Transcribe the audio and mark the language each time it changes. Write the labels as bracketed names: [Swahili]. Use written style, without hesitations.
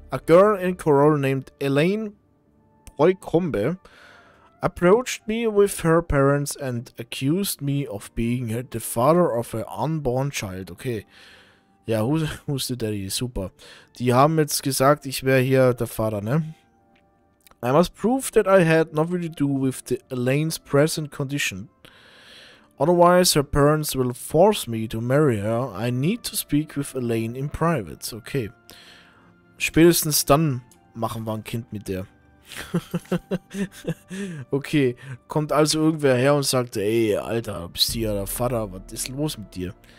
[English] A girl in Corol named Elaine Boycombe approached me with her parents and accused me of being the father of an unborn child. Okay. Ja, who's the daddy? Super. [German] Die haben jetzt gesagt, ich wäre hier der Vater, ne? [English] I must prove that I had nothing to do with the Elaine's present condition. Otherwise, her parents will force me to marry her. I need to speak with Elaine in private. Okay. [German] Spätestens dann machen wir ein Kind mit der. Okay, kommt also irgendwer her und sagt, ey, Alter, bist du ja der Vater, was ist los mit dir?